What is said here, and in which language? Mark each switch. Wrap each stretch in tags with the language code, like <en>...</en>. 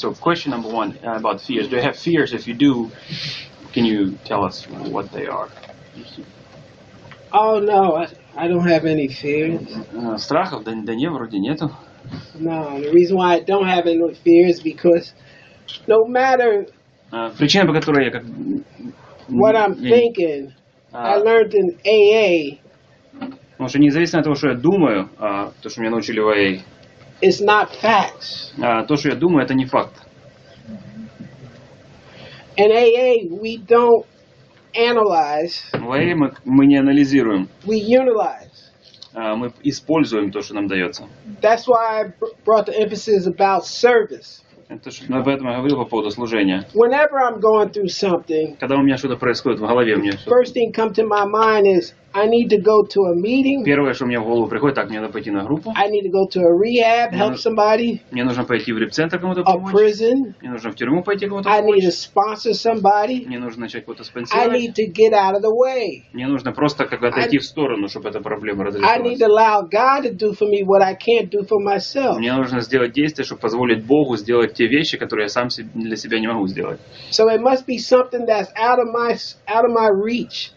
<en>So question number one about fears. Do you have fears? If you do, can you tell us what they are? Oh no, I don't have any fears.</en> <ru>Страхов да не вроде нету.</ru> <en>No, the reason why I don't have any fears because no matter.</en> <ru>Причина, по которой я как.</ru> <en>What I'm thinking, I learned in AA.</en> <ru>Потому что независимо от того, что я думаю, то, что меня научили в АА,</ru> <en>it's not facts.</en> <ru>То, что я думаю, это не факт.</ru> <en>In AA, we don't analyze.</en> <ru>В АА мы не анализируем.</ru> <en>We utilize.</en> <ru>Мы используем то, что нам дается.</ru> <en>That's why I brought the emphasis about service.</en> <ru>Это что, ну, об этом я говорил по поводу служения.</ru> <en>Whenever I'm going through something,</en> <ru>когда у меня что-то происходит в голове, мне что-то.</ru> <en>First thing come to my mind is I need to go to a meeting.</en> <ru>Первое, что мне в голову приходит, так мне надо пойти на группу.</ru> <en>I need to go to a rehab, help somebody.</en> <ru>Мне нужно пойти в реабцентр кому-то помочь.</ru> <en>A prison.</en> <ru>Мне нужно в тюрьму пойти кому-то</ru> <en>I</en> <ru>помочь.</ru> <en>I need to sponsor somebody.</en> <ru>Мне нужно начать кого-то спонсировать.</ru> <en>I need to get out of the way.</en> <ru>Мне нужно просто как бы отойти в сторону, чтобы эта проблема разрешилась.</ru> <en>I need to allow God to do for me what I can't do for myself.</en> <ru>Мне нужно сделать действие, чтобы позволить Богу сделать те вещи, которые я сам для себя не могу сделать.</ru> <en>So it must be something that's out of my reach.</en>